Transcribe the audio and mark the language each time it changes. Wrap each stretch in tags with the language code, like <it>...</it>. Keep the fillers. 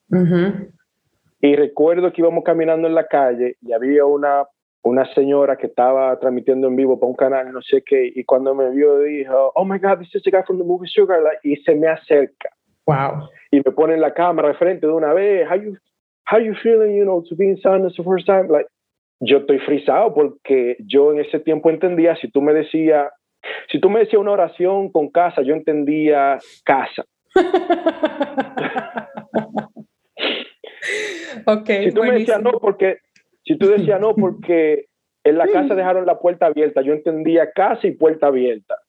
<es>Ujú. Y recuerdo que íbamos caminando en la calle y había una, una señora que estaba transmitiendo en vivo para un canal, no sé qué, y cuando me vio dijo,</es> <en>oh my God, this is the guy from the movie Sugar, Like,</en> <es>y se me acerca</es> <en>Wow.</en> <es>y me ponen la cámara al frente de una vez.</es> <en>How you, how you feeling, you know, to be in Sundance the first time?</en> <es>Like, yo estoy frisado porque yo en ese tiempo entendía, si tú me decías, si tú me decías una oración con casa, yo entendía casa.</es> <en>ok,</en> <es>Si tú me decías buenísimo. no porque, si tú decías no porque en la casa dejaron la puerta abierta, yo entendía casa y puerta abierta.</es>